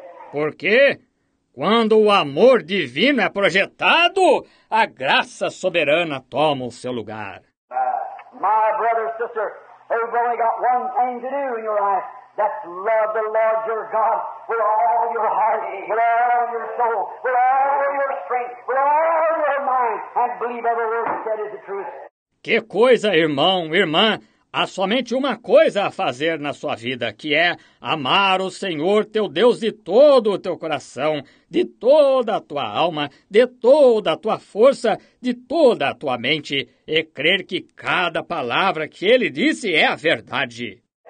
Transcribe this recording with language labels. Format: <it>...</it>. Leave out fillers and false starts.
<pt>Por quê? Quando o amor divino é projetado, a graça soberana toma o seu lugar.</pt> <en>My brother, sister, you've only got one thing to do in your life. That's love the Lord your God with all your heart, with all your soul, with all your strength, with all your mind, and believe every word said is the truth.</en> <pt>Que coisa, irmão, irmã! Há somente uma coisa a fazer na sua vida, que é amar o Senhor, teu Deus, de todo o teu coração, de toda a tua alma, de toda a tua força, de toda a tua mente, e crer que cada palavra que Ele disse é a verdade.</pt>